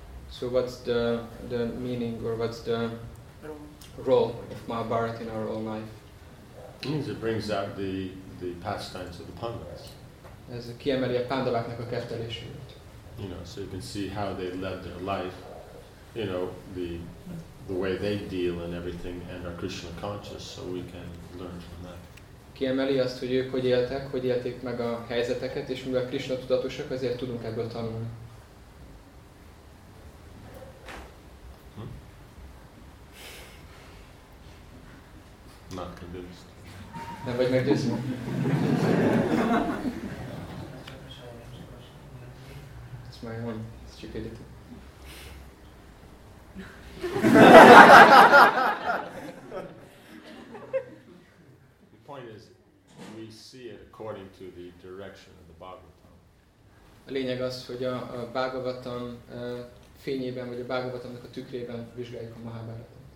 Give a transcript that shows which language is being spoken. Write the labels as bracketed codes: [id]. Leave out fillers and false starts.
[en] So what's the meaning or what's the role of Mahabharata in our own life? It means it brings out the pastimes of the Pandavas. [hu] Ez kiemeli a Pandaváknak a kettelését. [en] You know, so you can see how they led their life, you know, the way they deal and everything and are Krishna conscious, so we can learn from that. [hu] Kiemeli azt, hogy ők hogy élték meg a helyzeteket, és mivel Krishna tudatosak, ezért tudunk ebből tanulni. [en] Not convinced. [hu] Nem vagy meggyőzni? [en] It's my own stupidity. The point is, we see it according to the direction of the Bhagavatam. [hu] A lényeg az, hogy a Bhagavatam fényében, vagy a Bhagavatamnak a tükrében vizsgáljuk a Mahabharatát.